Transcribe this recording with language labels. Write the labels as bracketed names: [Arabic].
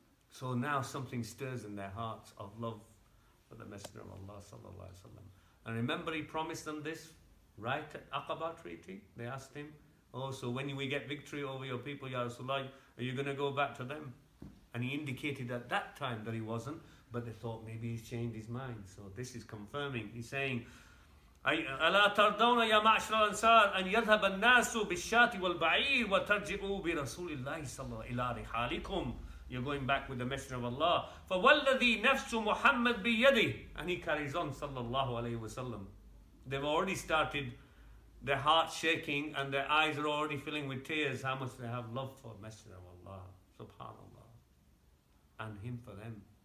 [English] So now something stirs in their hearts of love for the Messenger of Allah sallallahu alaihi wasallam. And remember, he promised them this right at Aqaba Treaty. They asked him, oh, so when we get victory over your people, Ya Rasulullah, are you going to go back to them? And he indicated at that time that he wasn't, but they thought maybe he's changed his mind. So this is confirming. He's saying, [Arabic] ألا تردون يا معشر الأنصار أن يذهب الناس بالشات والبعير وترجعوا برسول الله صلى الله عليه وسلم إلى رحالكم. [English] You're going back with the Messenger of Allah. [Arabic] فوالذي نفس محمد بيده. [English] And he carries on, [Arabic] صلى الله عليه وسلم. [English] They've already started, their hearts shaking and their eyes are already filling with tears. How much they have love for Messenger of Allah, subhanAllah, and him for them.